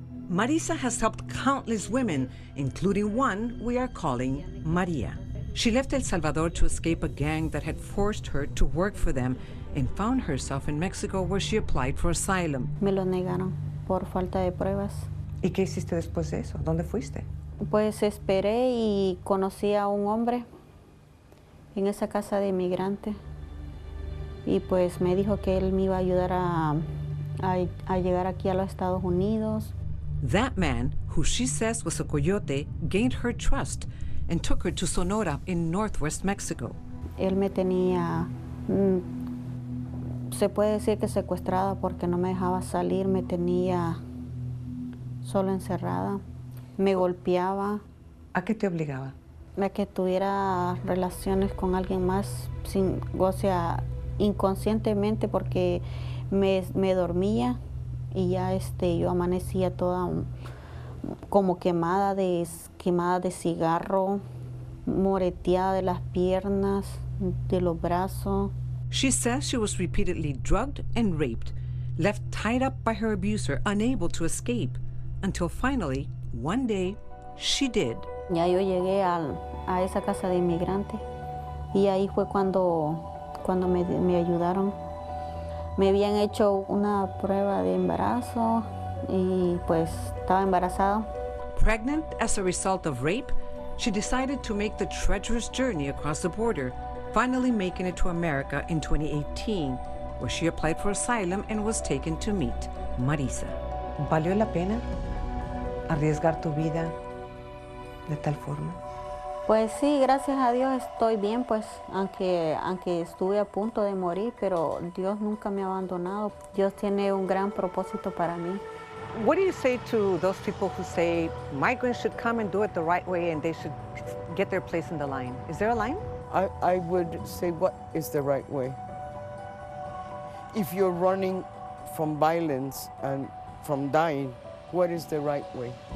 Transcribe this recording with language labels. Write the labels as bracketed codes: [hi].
[en] Marisa has helped countless women, including one we are calling Maria. She left El Salvador to escape a gang that had forced her to work for them and found herself in Mexico where she applied for asylum. [es] Me lo negaron por falta de pruebas. ¿Y qué hiciste después de eso? ¿Dónde fuiste? Pues esperé y conocí a un hombre en esa casa de inmigrante. Y pues me dijo que él me iba a ayudar a llegar aquí a los Estados Unidos. [en] That man, who she says was a coyote, gained her trust and took her to Sonora in northwest Mexico. [es] Él me tenía, se puede decir que secuestrada porque no me dejaba salir, me tenía solo encerrada, me golpeaba. ¿A qué te obligaba? A que tuviera relaciones con alguien más, sin, o sea, inconscientemente porque me dormía. Y ya yo amanecía toda como quemada de cigarro, moreteada de las piernas, de los brazos. [en] She says she was repeatedly drugged and raped, left tied up by her abuser, unable to escape, until finally, one day, she did. [es] Ya yo llegué a esa casa de inmigrante y ahí fue cuando me ayudaron. Me habían hecho una prueba de embarazo y pues estaba embarazada. [en] Pregnant as a result of rape, she decided to make the treacherous journey across the border, finally making it to America in 2018, where she applied for asylum and was taken to meet Marisa. [es] ¿Valió la pena arriesgar tu vida de tal forma? Pues sí, gracias a Dios estoy bien, pues, aunque estuve a punto de morir, pero Dios nunca me ha abandonado. Dios tiene un gran propósito para mí. [en] What do you say to those people who say migrants should come and do it the right way and they should get their place in the line? Is there a line? I would say, what is the right way? If you're running from violence and from dying, what is the right way?